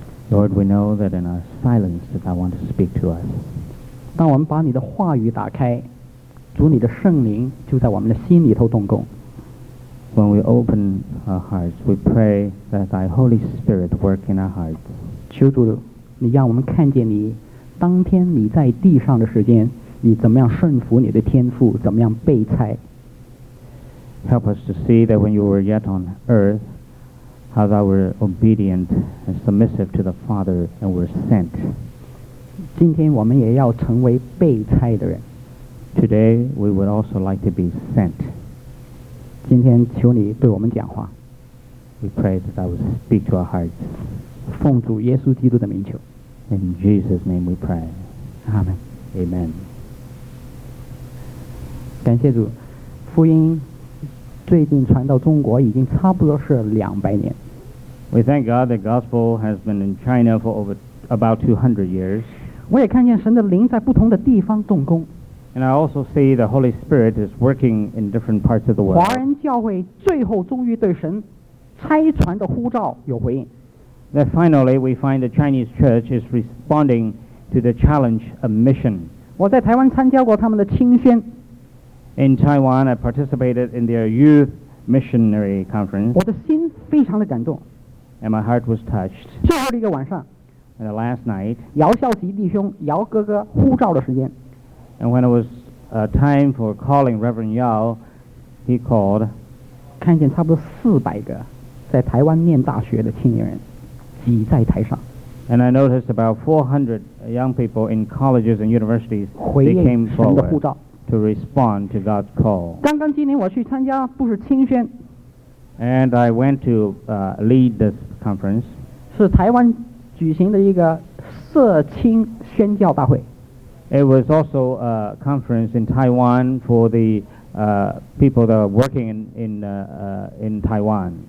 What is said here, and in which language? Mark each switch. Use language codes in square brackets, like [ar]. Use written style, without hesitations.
[en] Lord, we know that in our silence that I want to speak to us. [zh] 当我们把你的话语打开，主你的圣灵就在我们的心里头动工。 [en] When we open our hearts, we pray that Thy Holy Spirit work in our hearts. [zh] 求主，你让我们看见你当天你在地上的时间。你怎么样顺服你的天父，怎么样备差。 [en] Help us to see that when you were yet on earth, how thou were obedient and submissive to the Father and were sent. [zh] 今天我们也要成为备差的人。 [en] Today we would also like to be sent. [zh] 今天求你对我们讲话。 [en] We pray that thou would speak to our hearts. [zh] 奉主耶稣基督的名求。 [en] In Jesus' name we pray. Amen. Amen. [zh] 感谢主，福音最近传到中国已经差不多是200年。 [en] We thank God that gospel has been in China for over about 200 years. [zh] 我也看见神的灵在不同的地方动工。 [en] And I also see the Holy Spirit is working in different parts of the world. [zh] 华人教会最后终于对神差传的呼召有回应。 [en] That finally we find the Chinese church is responding to the challenge of mission. [zh] 我在台湾参加过他们的青宣。 [en] In Taiwan, I participated in their youth missionary conference. [zh] 我的心非常的感动。 [en] And my heart was touched. [zh] 最后一个晚上。 [en] And the last night. [zh] 姚孝吉弟兄、姚哥哥呼召的时间。 [en] And when it was time for calling Reverend Yao, he called. [zh] 看见差不多400个在台湾念大学的青年人挤在台上。 [en] And I noticed about 400 young people in colleges and universities. They came forward. To respond to God's call. [zh] 刚刚今年我去参加不是青宣 [en] And I went to lead this conference. [zh] 是台湾举行的一个社青宣教大会 [en] It was also a conference in Taiwan for the people that are working in Taiwan.